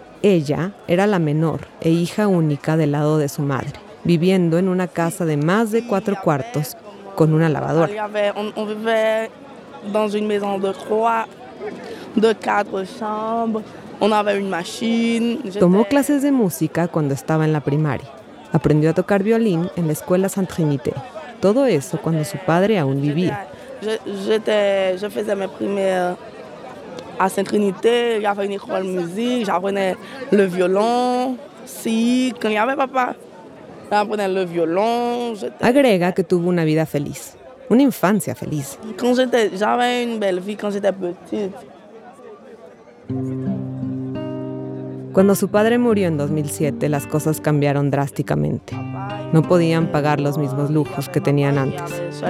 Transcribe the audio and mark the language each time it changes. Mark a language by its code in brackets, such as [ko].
[es] Ella era la menor e hija única del lado de su madre, viviendo en una casa de más de 4 cuartos con una lavadora. [fr] On vivait dans une maison de 3, 4 chambres. On avait une machine. [es] Tomó clases de música cuando estaba en la primaria. Aprendió a tocar violín en la escuela Saint-Trinité. Todo eso cuando su padre aún vivía. [fr] Je faisais mes premières à Saint-Trinité, il y avait une école de musique, j'apprenais le violon, si, quand il y avait papa, j'apprenais le violon. [es] Agrega que tuvo una vida feliz, una infancia feliz. [fr] Quand j'avais une belle vie quand j'étais petite. [es] Cuando su padre murió en 2007, las cosas cambiaron drásticamente. No podían pagar los mismos lujos que tenían antes.